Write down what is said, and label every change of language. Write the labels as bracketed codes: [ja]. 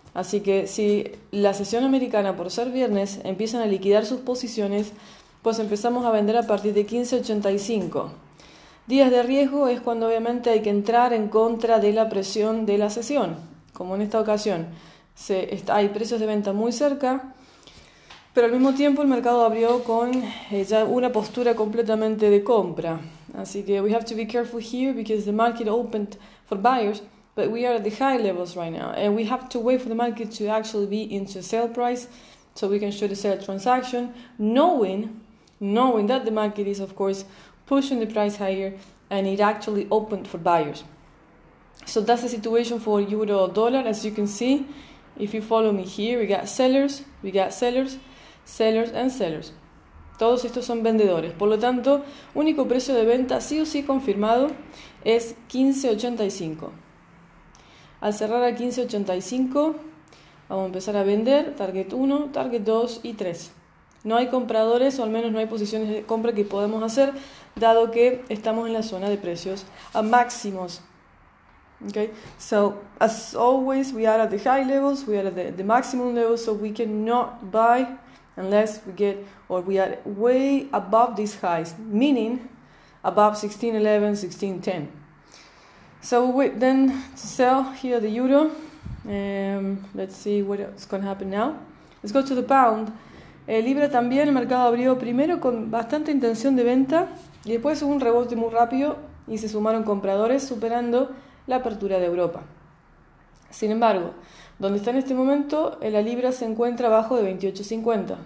[es] Así que si la sesión americana, por ser viernes, empiezan a liquidar sus posiciones, pues empezamos a vender a partir de 1,585. Días de riesgo es cuando obviamente hay que entrar en contra de la presión de la sesión. Como en esta ocasión, hay precios de venta muy cerca, pero al mismo tiempo el mercado abrió con ya una postura completamente de compra. Así que [en] we have to be careful here because the market opened for buyers, but we are at the high levels right now. And we have to wait for the market to actually be into sale price so we can show the sale transaction, knowing that the market is, of course, pushing the price higher and it actually opened for buyers. So that's the situation for euro dollar. As you can see, if you follow me here, we got sellers, sellers and sellers. [es] Todos estos son vendedores. Por lo tanto, único precio de venta sí o sí confirmado es 15.85. Al cerrar a 15.85, vamos a empezar a vender target 1, target 2 y 3. No hay compradores, o al menos no hay posiciones de compra que podemos hacer, dado que estamos en la zona de precios a máximos. [en] Okay? So, as always, we are at the high levels, we are at the maximum levels, so we cannot buy unless we get, or we are way above these highs, meaning above 1611, 1610. So, wait then to sell here the euro. Let's see what is going to happen now. Let's go to the pound. [es] Libra también, el mercado abrió primero con bastante intención de venta y después hubo un rebote muy rápido y se sumaron compradores superando la apertura de Europa. Sin embargo, donde está en este momento, la Libra se encuentra abajo de 28.50.